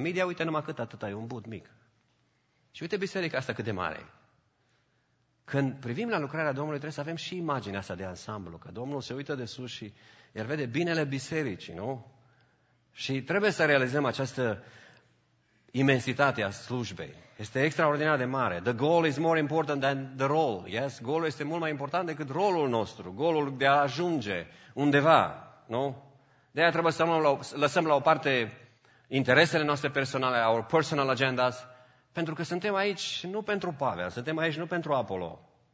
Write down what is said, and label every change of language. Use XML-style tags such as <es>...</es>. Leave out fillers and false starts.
<ro>Media, uite numai cât atâta, e un but mic. Și uite biserica asta cât de mare. Când privim la lucrarea Domnului, trebuie să avem și imaginea asta de ansamblu, că Domnul se uită de sus și el vede binele bisericii, nu? Și trebuie să realizăm această imensitate a slujbei. Este extraordinar de mare.</ro> <en>The goal is more important than the role.</en> <ro>Yes, goalul este mult mai important decât rolul nostru. Goalul de a ajunge undeva, nu? De-aia trebuie să lăsăm la o parte interesele noastre personale, our personal agendas, pentru că suntem aici nu pentru Pavel, suntem aici nu pentru Apollo.</ro>